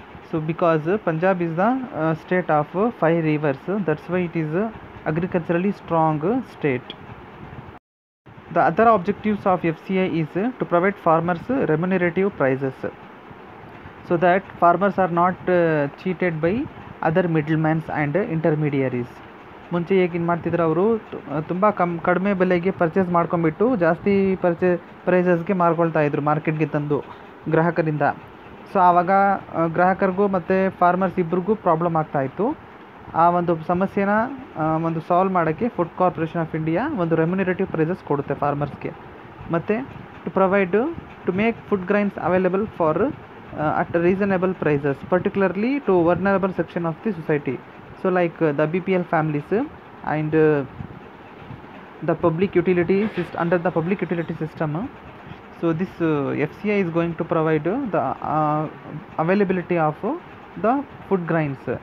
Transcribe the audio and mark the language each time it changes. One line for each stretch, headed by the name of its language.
English: So because Punjab is the state of five rivers, that's why it is agriculturally strong state. The other objectives of FCI is to provide farmers remunerative prices, so that farmers are not cheated by other middlemen and intermediaries.
Kannada: ಮುಂಚೆ ಏಕೇನು ಮಾಡ್ತಿದ್ರು ಅವರು ತುಂಬ ಕಡಿಮೆ ಬೆಲೆಗೆ purchase ಮಾಡ್ಕೊಂಬಿಟ್ಟು ಜಾಸ್ತಿ ಪ್ರೈಸಸ್ಗೆ ಮಾರ್ಕೊಳ್ತಾ ಇದ್ರು ಮಾರ್ಕೆಟ್ಗೆ ತಂದು ಗ್ರಾಹಕರಿಂದ. ಸೊ ಆವಾಗ ಗ್ರಾಹಕರಿಗೂ ಮತ್ತು ಫಾರ್ಮರ್ಸ್ ಇಬ್ಬರಿಗೂ ಪ್ರಾಬ್ಲಮ್ ಆಗ್ತಾ ಇತ್ತು. ಆ ಒಂದು ಸಮಸ್ಯೆನ ಒಂದು ಸಾಲ್ವ್ ಮಾಡೋಕ್ಕೆ
English: food corporation of India ಒಂದು remunerative prices
Kannada: ಕೊಡುತ್ತೆ ಫಾರ್ಮರ್ಸ್ಗೆ, ಮತ್ತು
English: To provide to make food grains available for at reasonable prices, particularly to vulnerable section of the society. So like the BPL families and the public utility system, under the public utility system. So this FCI is going to provide the availability of the food grains.